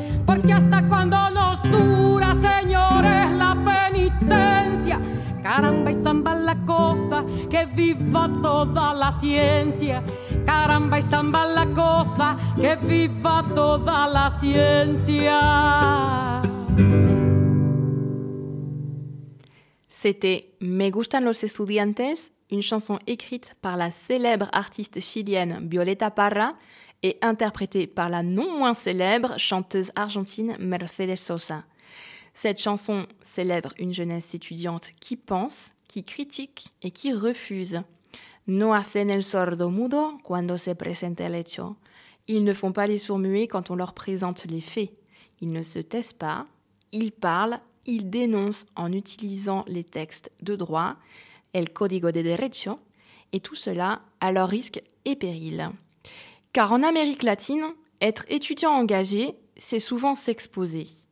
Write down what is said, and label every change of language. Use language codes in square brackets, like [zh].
[es] Porque hasta cuando nos dura, señores, la penitencia. Caramba y zamba la cosa, que viva toda la ciencia. Caramba y zamba la cosa, que viva toda la ciencia. [fr] C'était Me gustan los estudiantes, une chanson écrite par la célèbre artiste chilienne Violeta Parra et interprétée par la non moins célèbre chanteuse argentine Mercedes Sosa. Cette chanson célèbre une jeunesse étudiante qui pense, qui critique et qui refuse. [es] No hacen el sordo mudo cuando se presenta el hecho. [fr] Ils ne font pas les sourds muets quand on leur présente les faits. Ils ne se taisent pas, ils parlent. Il dénonce en utilisant les textes de droit, [es] el código de derecho, [fr] et tout cela à leur risque et péril. Car en Amérique latine, être étudiant engagé, c'est souvent s'exposer.